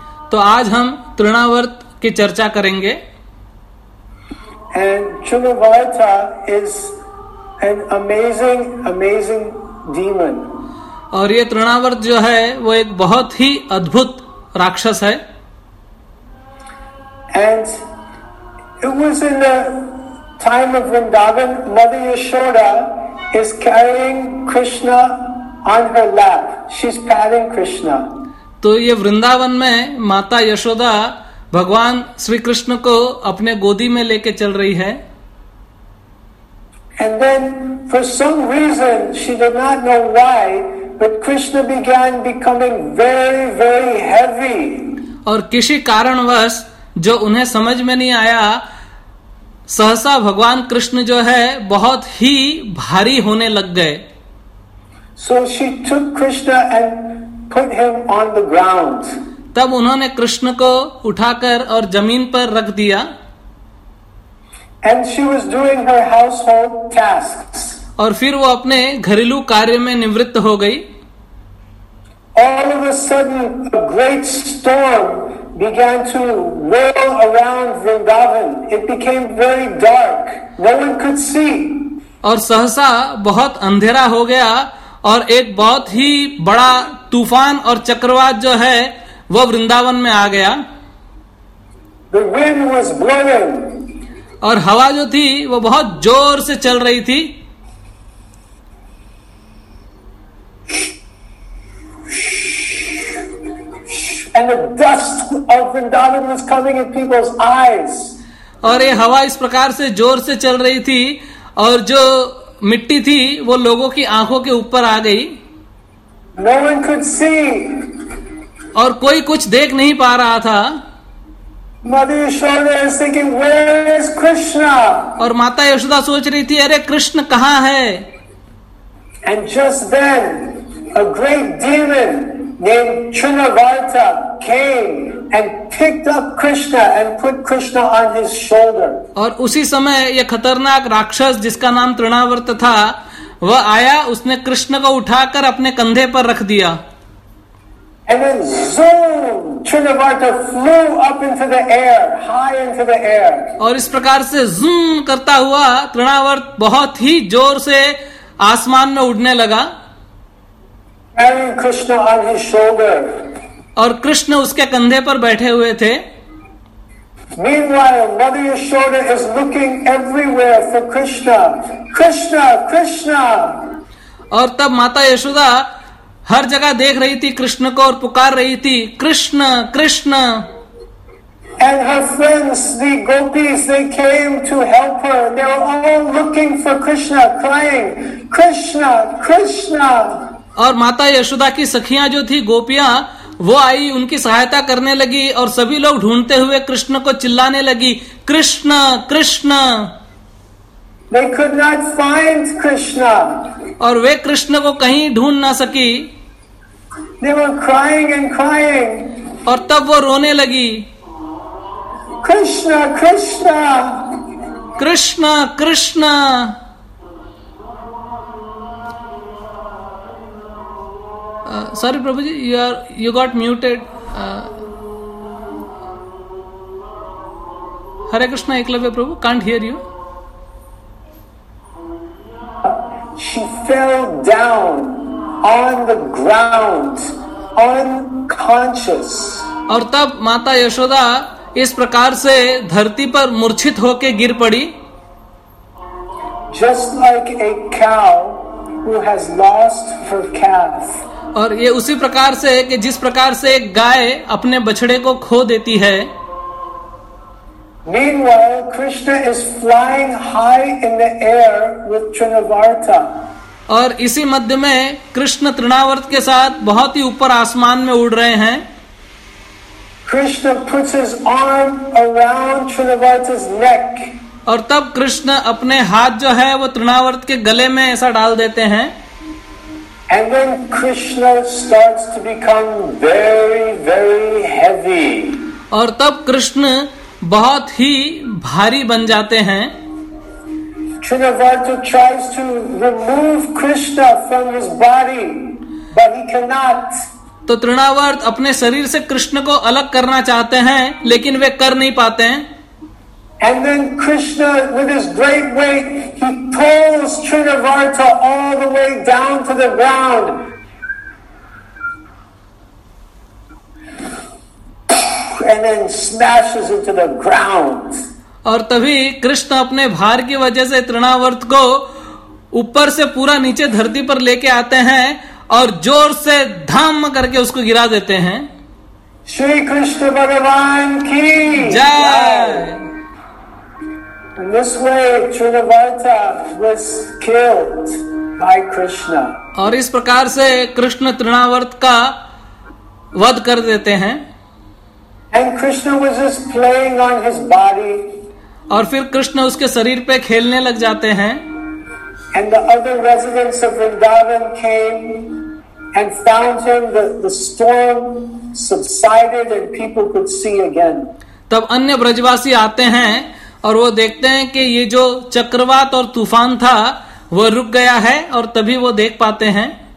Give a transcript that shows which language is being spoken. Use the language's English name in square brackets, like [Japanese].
[Hindi] तो आज हम तृणावर्त की चर्चा करेंगे। [English] And Trinavarta is an amazing, amazing demon. [Hindi] और ये तृणावर्त जो है वो एक बहुत ही अद्भुत राक्षस है। [English] And it was in the time of Vrindavan, Mother Yashoda is carrying Krishna on her lap. She's patting Krishna. [Hindi] तो ये वृंदावन में माता यशोदा भगवान श्री कृष्ण को अपने गोदी में लेके चल रही है। [English] And then for some reason she did not know why, but Krishna began becoming very, very heavy. [Hindi] और किसी कारणवश जो उन्हें समझ में नहीं आया, सहसा भगवान कृष्ण जो है बहुत ही भारी होने लग गए। [English] So she took Krishna and put him on the ground. [Hindi] तब उन्होंने कृष्ण को उठाकर और जमीन पर रख दिया। [English] And she was doing her household tasks. [Hindi] और फिर वो अपने घरेलू कार्य में निवृत्त हो गई। [English] All of a sudden, a great storm began to roll around Vrindavan. It became very dark. No one could see. [Hindi] और सहसा बहुत अंधेरा हो गया और एक बहुत ही बड़ा तूफान और चक्रवात जो है वो वृंदावन में आ गया। [English] The wind was blowing. [Hindi] और हवा जो थी वो बहुत जोर से चल रही थी। [English] And the dust of Vrindavan was coming in people's eyes. [Hindi] और ये हवा इस प्रकार से जोर से चल रही थी और जो मिट्टी थी वो लोगों की आंखों के ऊपर आ गई। [English] No one could see. [Hindi] और कोई कुछ देख नहीं पा रहा था। [English] Mother Yashoda is thinking, where is Krishna? [Hindi] और माता यशोदा सोच रही थी, अरे कृष्ण कहाँ है? [English] And just then, a great demon named Trinavarta came and picked up Krishna and put Krishna on his shoulder. [Hindi] और उसी समय ये खतरनाक राक्षस जिसका नाम त्रिणावर्त था, वह आया, उसने कृष्ण को उठाकर अपने कंधे पर रख दिया। [English] And then zoom, Trinavarta flew up into the air, high into the air. [Hindi] और इस प्रकार से zoom करता हुआ त्रिणावर्त बहुत ही जोर से आसमान में उड़ने लगा। [English] Carrying Krishna on his shoulder. [Hindi] और कृष्ण उसके कंधे पर बैठे हुए थे। [English] Meanwhile, Mother Yashoda is looking everywhere for Krishna. Krishna, Krishna. [Hindi] और तब माता यशोदा हर जगह देख रही थी कृष्ण को और पुकार रही थी, Krishna Krishna. [English] And her friends, the gopis, they came to help her. They were all looking for Krishna, crying, Krishna, Krishna. [Hindi] और माता यशोदा की सखियां जो थी गोपियां, वो आई उनकी सहायता करने लगी और सभी लोग ढूंढते हुए कृष्ण को चिल्लाने लगी, Krishna Krishna. [English] They could not find Krishna. [Hindi] और वे कृष्ण को कहीं ढूंढ ना सकी। [English] They were crying and crying. [Hindi] और तब वो रोने लगी, Krishna Krishna Krishna Krishna. [English] Sorry प्रभु जी, you got muted. Hare Krishna Eklavya प्रभु, can't hear you. She fell down. on the ground, unconscious. [Hindi] और तब माता यशोदा इस प्रकार से धरती पर मूर्छित होकर गिर पड़ी. [English] Just like a cow who has lost her calf. [Hindi] और ये उसी प्रकार से है कि जिस प्रकार से एक गाय अपने बछड़े को खो देती है. [English] Meanwhile, Krishna is flying high in the air with Trinavarta. [Hindi] और इसी मध्य में कृष्ण त्रिणावर्त के साथ बहुत ही ऊपर आसमान में उड़ रहे हैं. [English] Krishna puts his arm around Trinavarta's neck. [Hindi] और तब कृष्ण अपने हाथ जो है वो त्रिणावर्त के गले में ऐसा डाल देते हैं. [English] And then Krishna starts to become very, very heavy. [Hindi] और तब कृष्ण बहुत ही भारी बन जाते हैं. [English] Trinavarta tries to remove Krishna from his body, but he cannot. [Hindi] तो त्रिणावर्त अपने शरीर से कृष्ण को अलग करना चाहते हैं, लेकिन वे कर नहीं पाते हैं. [English] And then Krishna, with his great weight, he pulls Trinavarta all the way down to the ground. And then smashes into the ground. [Hindi] और तभी कृष्ण अपने भार की वजह से त्रिणावर्त को ऊपर से पूरा नीचे धरती पर लेके आते हैं और जोर से धाम करके उसको गिरा देते हैं. श्री कृष्ण भगवान की जय. [English] In this way, Trinavarta was killed by Krishna. [Hindi] और इस प्रकार से कृष्ण त्रिणावर्त का वध कर देते हैं. [English] And Krishna was just playing on his body. [Hindi] और फिर कृष्ण उसके शरीर पे खेलने लग जाते हैं. [English] And the other residents of Vrindavan came and found him. The storm subsided and people could see again. [Hindi] तब अन्य ब्रजवासी आते हैं और वो देखते हैं कि ये जो चक्रवात और तूफान था वो रुक गया है और तभी वो देख पाते हैं.